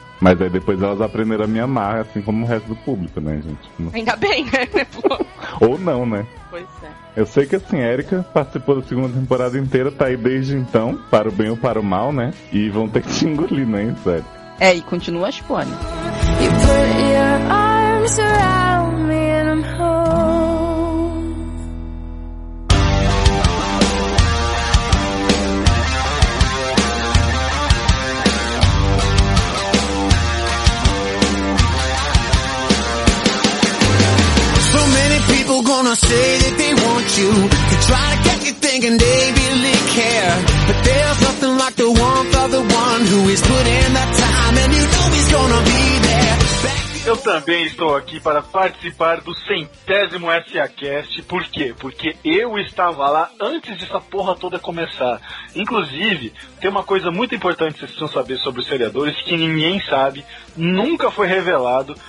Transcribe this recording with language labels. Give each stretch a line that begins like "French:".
Portuguese: Mas aí depois elas aprenderam a me amar, assim como o resto do público, né, gente? Ainda bem, né? Ou não, né? Pois é. Eu sei que, assim, a Erika participou da segunda temporada inteira, tá aí desde então, para o bem ou para o mal, né? E vão ter que te engolir, né, sério? É, e continua a Spone.
English: You put your arms around me and I'm home. Gonna say that they want you to try to get you thinking they really care, but there's nothing like the warmth of the one who is putting the time, and you know he's gonna be there.
Portuguese: Eu também estou aqui para participar do 100º SAcast. Por quê? Porque eu estava lá antes dessa porra toda começar. Inclusive, tem uma coisa muito importante que vocês precisam saber sobre os seriadores, que ninguém sabe, nunca foi revelado.